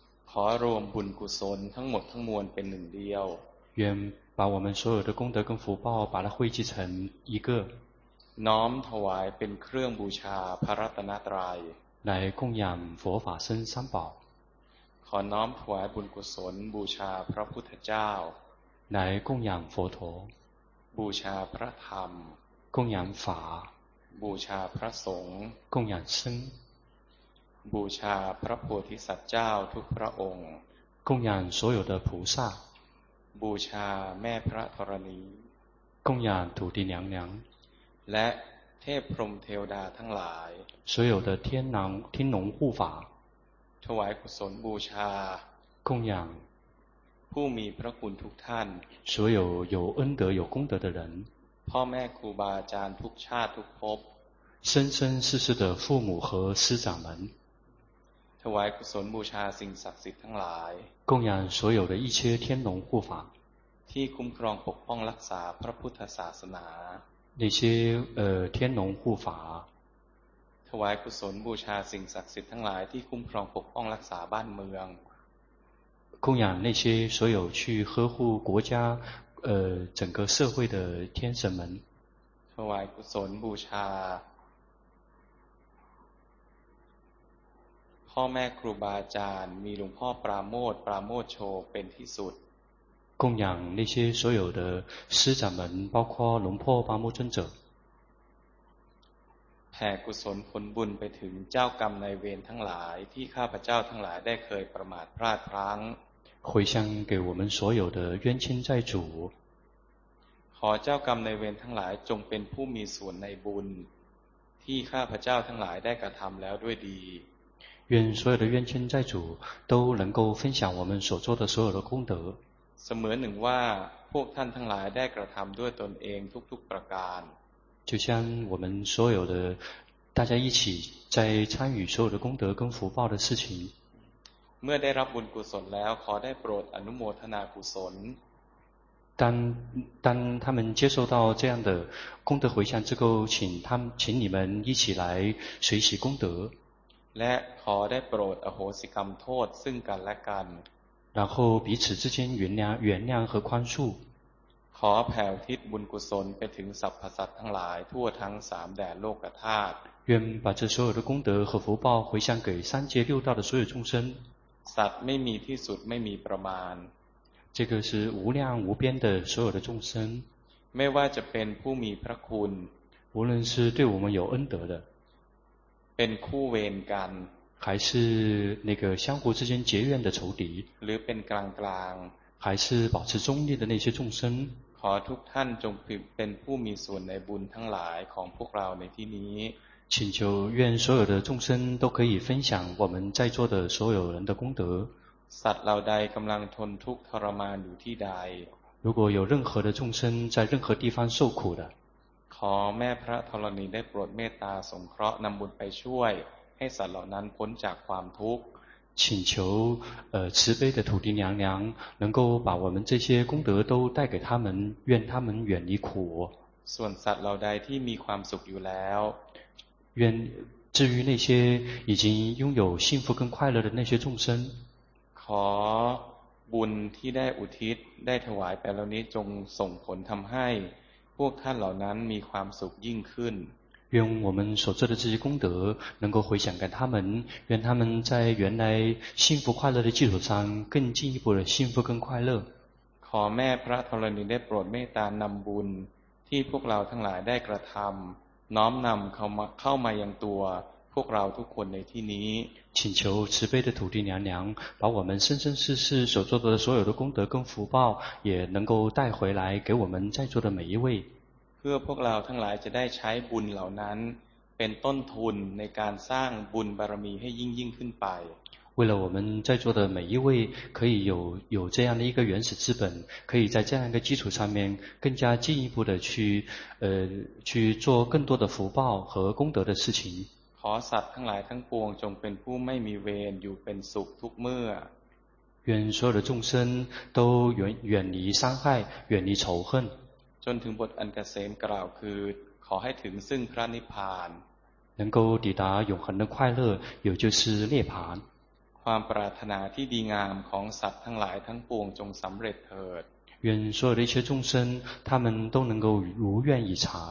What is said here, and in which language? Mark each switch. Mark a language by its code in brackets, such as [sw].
[th] ขอรวมบุญกุศลทั้งหมดทั้งมวลเป็นหนึ่งเดียว [zh] 愿把我们所有的功德跟福报把它汇集成一个 [th] น้อมถวายเป็นเครื่องบูชาพระรัตนตรัย [zh] 来供养佛法僧三宝 [th] ขอน้อมถวายบุญกุศลบูชาพระพุทธเจ้า [zh] 来供养佛陀 [th] บูชาพระธรรม [zh] 供养法 [th] บูชาพระสงฆ์ [zh] 供养僧 [th] บูชาพระโพธิสัตว์เจ้าทุกพระองค์ [zh] 供养所有的菩萨 [th] บูชาแม่พระธรณี [zh] 供养土地娘娘 [th] และเทพพรหมเทวดาทั้งหลาย [zh] 所有的天狼天龙护法 [th] ถวายกุศลบูชา [zh] 供养 [th] ผู้มีพระคุณทุกท่าน [zh] 所有有恩德有功德的人 [th] พ่อแม่ครูบาอาจารย์ทุกชาติทุกภพ [zh] 生生世世的父母和师长们 [th] ถวายกุศลบูชาสิ่งศักดิ์สิทธิ์ทั้งหลาย [zh] 供养所有的一切天龙护法 [th] ที่คุ้มครองปกป้องรักษาพระพุทธศาสนา [zh] 那些天龙护法 [th] ถวายกุศลบูชาสิ่งศักดิ์สิทธิ์ทั้งหลายที่คุ้มครองปกป้องรักษาบ้านเมือง [zh] 供养那些所有去呵护国家整个社会的天神们 [th] ถวายกุศลบูชาพ่อแม่ครูบาอาจารย์มีหลวงพ่อปราโมทปราโมทโชเป็นที่สุด [zh] 供养那些所有的师长们包括龙破八木尊者 [th] แผ่กุศลผลบุญไปถึงเจ้ากรรมในเวรทั้งหลายที่ข้าพเจ้าทั้งหลายได้เคยประมาทพลาดพลั้ง [zh] 回向给我们所有的冤亲债主 [th] ขอเจ้ากรรมในเวรทั้งหลายจงเป็นผู้มีส่วนในบุญที่ข้าพเจ้าทั้งหลายได้กระทำแล้วด้วยดี [zh] 愿所有的冤亲债主都能够分享我们所做的所有的功德 [th] เสมือนหนึ่งว่าพวกท่านทั้งหลายได้กระทำด้วยตนเองทุกๆประการ [zh] 就像我们所有的大家一起在参与所有的功德跟福报的事情 [th] เมื่อได้รับบุญกุศลแล้วขอได้โปรดอนุโมทนากุศล [zh] 当他们接受到这样的功德回向之后请你们一起来随喜功德 [th] และขอได้โปรดอโหสิกรรมโทษซึ่งกันและกัน [zh] 然后彼此之间原谅和宽恕 [th] ขอแผ่ทิศบุญกุศลไปถึงสรรพสัตว์ทั้งหลายทั่วทั้งสามแดนโลกธาตุ [zh] 愿把这所有的功德和福报回向给三界六道的所有众生 [th] สัตว์ไม่มีที่สุดไม่มีประมาณ [zh] 这个是无量无边的所有的众生 [th] ไม่ว่าจะเป็นผู้มีพระคุณ [zh] 无论是对我们有恩德的 [th] เป็นคู่เวรกัน [zh] 还是那个相互之间结怨的仇敌 [th] หรือเป็นกลางกลาง [zh] 还是保持中立的那些众生 [th] ขอทุกท่านจงเป็นผู้มีส่วนในบุญทั้งหลายของพวกเราในที่นี้ [zh] 请求愿所有的众生都可以分享我们在座的所有人的功德 [th] สัตว์เหล่าใดกำลังทนทุกข์ทรมานอยู่ที่ใด [zh] 如果有任何的众生在任何地方受苦的 [th] ขอแม่พระธรณีได้โปรดเมตตาสงเคราะห์นำบุญไปช่วยให้สัตว์เหล่านั้นพ้นจากความทุกข์ [zh] 请求慈悲的土地娘娘能够把我们这些功德都带给他们愿他们远离苦 [th] ส่วนสัตว์เหล่าใดที่มีความสุขอยู่แล้ว [zh] 愿至于那些已经拥有幸福跟快乐的那些众生 [th] ขอบุญที่ได้อุทิศได้ถวายไปแล้วนี้จงส่งผลทำให้พวกท่านเหล่านั้นมีความสุขยิ่งขึ้น [zh] 愿我们所做的这些功德能够回向给他们愿他们在原来幸福快乐的基础上更进一步的幸福更快乐 [th] ขอแม่พระธรณีได้โปรดเมตตานำบุญที่พวกเราทั้งหลายได้กระทำน้อมนำเข้ามายังตัวพวกเราทุกคนในที่นี้ [zh] 请求慈悲的土地娘娘把我们生生世世所做的所有的功德跟福报也能够带回来给我们在座的每一位 [th] เพื่อพวกเราทั้งหลายจะได้ใช้บุญเหล่านั้นเป็นต้นทุนในการสร้างบุญบารมีให้ยิ่งขึ้นไป [zh] 为了我们在座的每一位可以有这样的一个原始资本可以在这样一个基础上面更加进一步的去做更多的福报和功德的事情 [th] ขอสัตว์ทั้งหลายทั้งปวงจงเป็นผู้ไม่มีเวรอยู่เป็นสุขทุกเมื่อ [zh] 愿所有的众生都远离伤害远离仇恨 [th] จนถึงบทอันเกษมกล่าวคือขอให้ถึงซึ่งพระนิพพาน [zh] 能够抵达永恒的快乐也就是涅槃 [th] ความปรารถนาที่ดีงามของสัตว์ทั้งหลายทั้งปวงจงสำเร็จเถิด [zh] 愿所有的一切众生他们都能够如愿以偿